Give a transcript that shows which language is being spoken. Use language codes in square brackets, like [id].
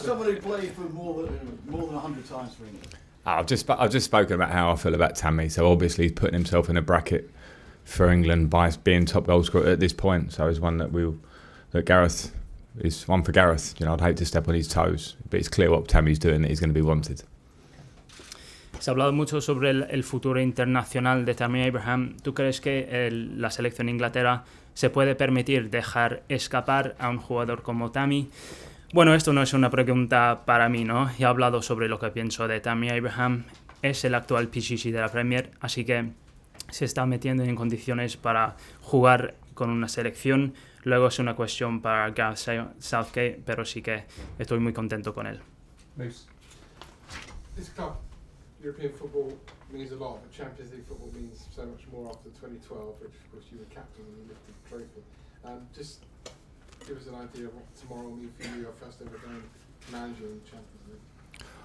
[en] Someone who played for more than 100 times for England. I've just spoken about how I feel about Tammy, so obviously he's putting himself in a bracket for England by being top goalscorer at this point, so it's one that Gareth is one for Gareth. You know, I'd hate to step on his toes, but it's clear what Tammy's doing that he's going to be wanted. [es] Se ha hablado mucho sobre el futuro internacional de Tammy Abraham. ¿Tú crees que la selección Inglaterra se puede permitir dejar escapar a un jugador como Tammy? Bueno, esto no es una pregunta para mí, ¿no? He hablado sobre lo que pienso de Tammy Abraham. Es el actual PCC de la Premier, así que se está metiendo en condiciones para jugar con una selección. Luego es una cuestión para Gareth Southgate, pero sí que estoy muy contento con él. Moose. [en] This club, European football, means a lot, but Champions League football means so much more after 2012, which of course you were captain and you lifted the trophy. Just give us an idea of what tomorrow will mean for you, your first ever game manager in the Champions League.